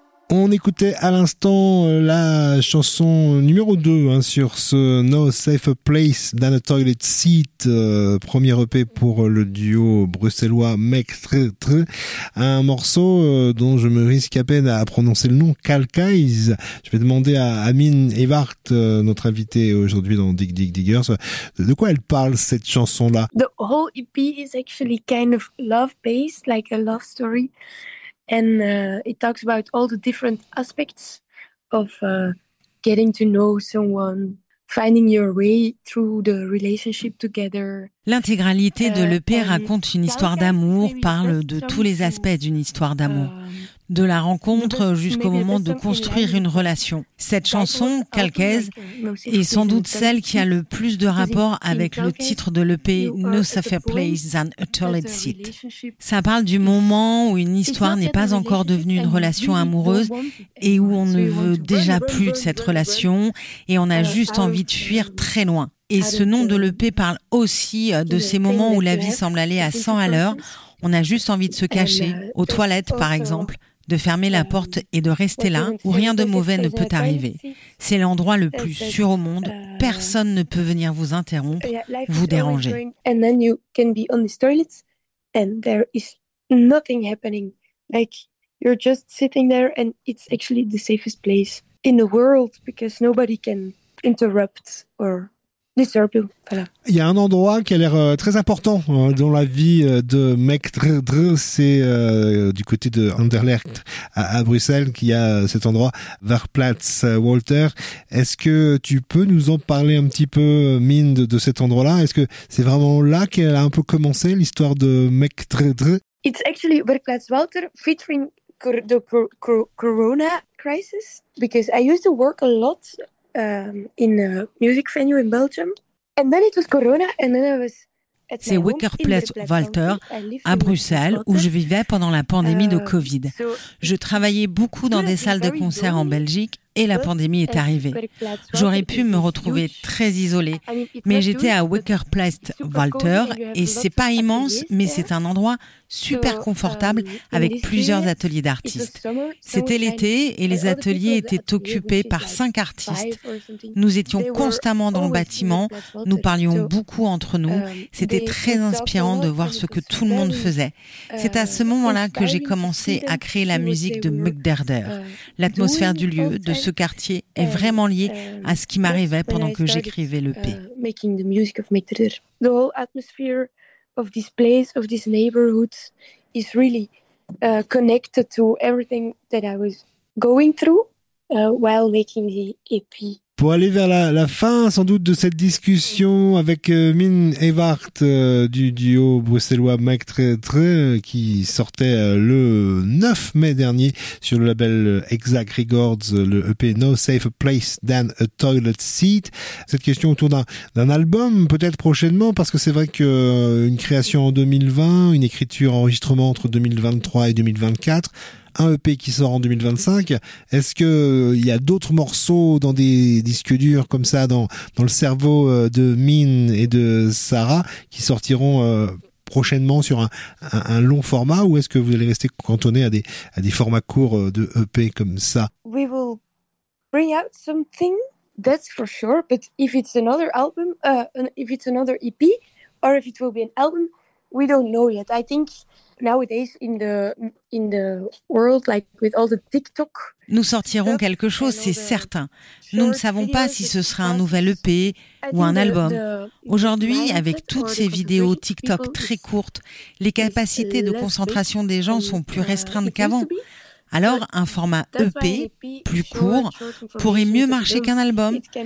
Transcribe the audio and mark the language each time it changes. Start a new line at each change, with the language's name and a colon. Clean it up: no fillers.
French: On écoutait à l'instant la chanson numéro 2 hein, sur ce No Safe Place Than a Toilet Seat, premier EP pour le duo bruxellois Mec Tre Tre, un morceau dont je me risque à peine à prononcer le nom, Kalkaïs. Je vais demander à Amine Evart, notre invitée aujourd'hui dans Dig Dig Diggers, de quoi elle parle cette chanson-là.
English: The whole EP is actually kind of love-based, like a love story. And it talks about all the different aspects of getting to know someone, finding your way through the relationship together.
French: L'intégralité de l'EP raconte une histoire d'amour, parle de tous les aspects d'une histoire d'amour. De la rencontre jusqu'au moment de construire une relation. Cette chanson, Calcaise, est sans doute celle qui a le plus de rapport avec le titre de l'EP No Safer Place Than a Toilet Seat. Ça parle du moment où une histoire n'est pas encore devenue une relation amoureuse et où on ne veut déjà plus de cette relation et on a juste envie de fuir très loin. Et ce nom de l'EP parle aussi de ces moments où la vie semble aller à 100 à l'heure. On a juste envie de se cacher, aux toilettes par exemple, de fermer la porte et de rester là où rien de mauvais ne peut arriver. C'est l'endroit le plus sûr au monde. Personne ne peut venir vous interrompre, vous déranger.
English: And then you can be on the toilet and there is nothing happening. Like, you're just sitting there and it's actually the safest place in the world because nobody can interrupt or...
French: Il y a un endroit qui a l'air très important dans la vie de Mec Dre Dre, c'est du côté de Anderlecht à Bruxelles, qu'il y a cet endroit, Werkplatz Walter. Est-ce que tu peux nous en parler un petit peu, Mine, de cet endroit-là? Est-ce que c'est vraiment là qu'elle a un peu commencé l'histoire de Mec Dre Dre?
English: It's actually Werkplatz Walter featuring the Corona crisis, because I used to work a lot in a music venue in Belgium. And then it was Corona, and then I was...
French: C'est Werkplatz Walter à Bruxelles où je vivais pendant la pandémie de Covid. Je travaillais beaucoup dans des salles de concert en Belgique et la pandémie est arrivée. J'aurais pu me retrouver très isolée, mais j'étais à Wakerplatz-Walter et c'est pas immense, mais c'est un endroit super confortable avec plusieurs ateliers d'artistes. C'était l'été et les ateliers étaient occupés par 5 artistes. Nous étions constamment dans le bâtiment, nous parlions beaucoup entre nous. C'était très inspirant de voir ce que tout le monde faisait. C'est à ce moment-là que j'ai commencé à créer la musique de Mugderder. L'atmosphère du lieu, de ce quartier, est vraiment liée à ce qui m'arrivait pendant que j'écrivais l'EP.
English: Making the music of Mugderder. The whole atmosphere of this place, of this neighborhood, is really connected to everything that I was going through while making the EP.
French: Pour aller vers la fin, sans doute, de cette discussion avec Min Evart du duo bruxellois Mac Tre, qui sortait le 9 mai dernier sur le label Exact Records, le EP No Safer Place Than a Toilet Seat. Cette question autour d'un album, peut-être prochainement, parce que c'est vrai que une création en 2020, une écriture enregistrement entre 2023 et 2024, un EP qui sort en 2025. Est-ce que il y a d'autres morceaux dans des disques durs comme ça dans le cerveau de Min et de Sarah qui sortiront prochainement sur un long format, ou est-ce que vous allez rester cantonné à des formats courts de EP comme ça?
English: We will bring out something, that's for sure. But if it's another album, if it's another EP, or if it will be an album, we don't know yet. I think nowadays in the world, like with all the TikTok,
French: nous sortirons quelque chose, c'est certain. Nous ne savons pas si ce sera un nouvel EP ou un album. Aujourd'hui, avec toutes ces vidéos TikTok très courtes, les capacités de concentration des gens sont plus restreintes qu'avant. Alors, un format EP, plus court, pourrait mieux marcher qu'un album.